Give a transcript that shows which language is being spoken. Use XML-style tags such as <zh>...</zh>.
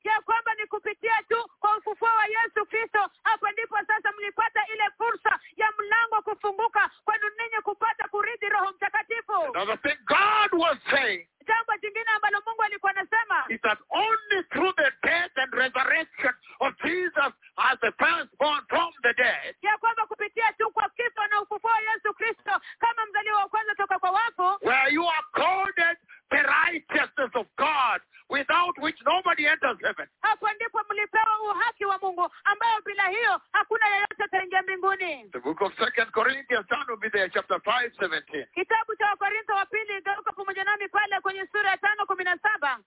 <sw>Ya kwamba ni kupitia tu kwa ufufuo wa Yesu Kristo, hapo ndipo sasa mlipata ile fursa ya mlango kufunguka kwenu ninyi kupata kurithi Roho Mtakatifu.</sw> <en>Another thing God was saying.</en> <sw>Jambo jingine ambalo Mungu alikuwa anasema.</sw> <en>It is only through the death and resurrection of Jesus as the firstborn from the dead.</en> <sw>Ya kwamba kupitia tu kwa kifo na ufufuo wa Yesu Kristo kama mzaliwa wa kwanza toka kwa wafu.</sw> <en>Where you are called the righteousness of God, without which nobody enters heaven.</en> <sw>Hapo ndipo mlipewa uhaki wa Mungu, ambao bila hiyo hakuna yeyote ataingia mbinguni.</sw> <en>The book of 2 Corinthians, turn to be there, chapter 5:17.</en> <sw>Kitabu cha Wakorintho wa pili, geuka pamoja nami pale kwenye sura ya 5:17.</sw>